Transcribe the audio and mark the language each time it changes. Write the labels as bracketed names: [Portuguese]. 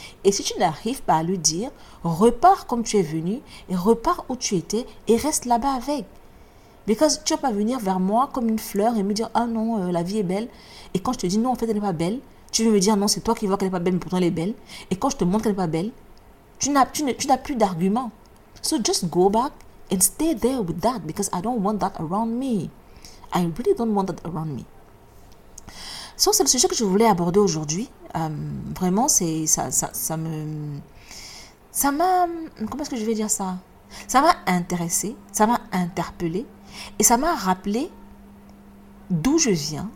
[French] Et si tu n'arrives pas à lui dire, repars comme tu es venu et repars où tu étais et reste là-bas avec. [English] Because [French] tu ne vas pas venir vers moi comme une fleur et me dire, ah non, la vie est belle. Et quand je te dis, non, en fait, elle n'est pas belle, tu veux me dire, non, c'est toi qui vois qu'elle n'est pas belle, mais pourtant elle est belle. Et quand je te montre qu'elle n'est pas belle, tu n'as plus d'argument. [English] So just go back and stay there with that because I don't want that around me. I really don't want that around me. [French] Ça, c'est le sujet que je voulais aborder aujourd'hui. Vraiment, ça m'a intéressé, ça m'a interpellé et ça m'a rappelé d'où je viens.